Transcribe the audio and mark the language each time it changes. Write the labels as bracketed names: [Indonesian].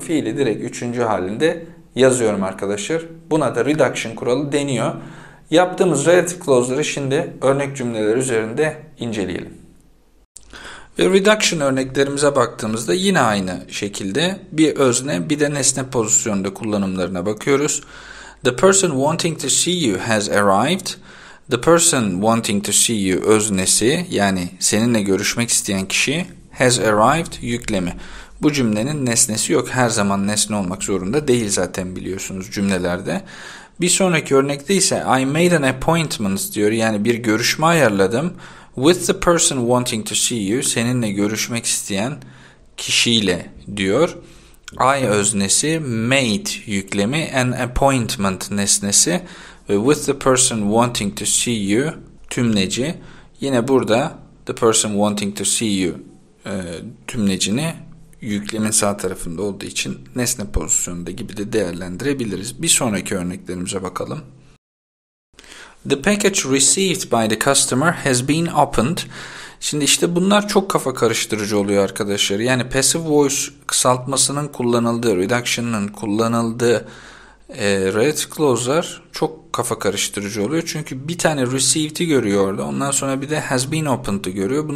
[Turkish] Fiili direkt üçüncü halinde yazıyorum arkadaşlar. Buna da reduction kuralı deniyor. Yaptığımız relative clause'ları şimdi örnek cümleler üzerinde inceleyelim. Ve reduction örneklerimize baktığımızda yine aynı şekilde bir özne bir de nesne pozisyonunda kullanımlarına bakıyoruz. [English] The person wanting to see you has arrived. The person wanting to see you [Turkish] öznesi yani seninle görüşmek isteyen kişi [English] has arrived [Turkish] yüklemi. Bu cümlenin nesnesi yok. Her zaman nesne olmak zorunda değil zaten biliyorsunuz cümlelerde. Bir sonraki örnekte ise [English] I made an appointment [Turkish] diyor yani bir görüşme ayarladım. [English] With the person wanting to see you, [Turkish] seninle görüşmek isteyen kişiyle diyor. [English] I [Turkish] öznesi, [English] made [Turkish] yüklemi, [English] an appointment [Turkish] nesnesi ve [English] with the person wanting to see you [Turkish] tümleci. Yine burada [English] the person wanting to see you [Turkish] tümlecini yüklemin sağ tarafında olduğu için nesne pozisyonunda gibi de değerlendirebiliriz. Bir sonraki örneklerimize bakalım. [English] The package received by the customer has been opened. [Turkish] Şimdi işte bunlar çok kafa karıştırıcı oluyor arkadaşlar. Yani passive voice kısaltmasının kullanıldığı, reduction'ın kullanıldığı relative clause'lar çok kafa karıştırıcı oluyor. Çünkü bir tane received'i görüyor orada. Ondan sonra bir de has been opened'ı görüyor.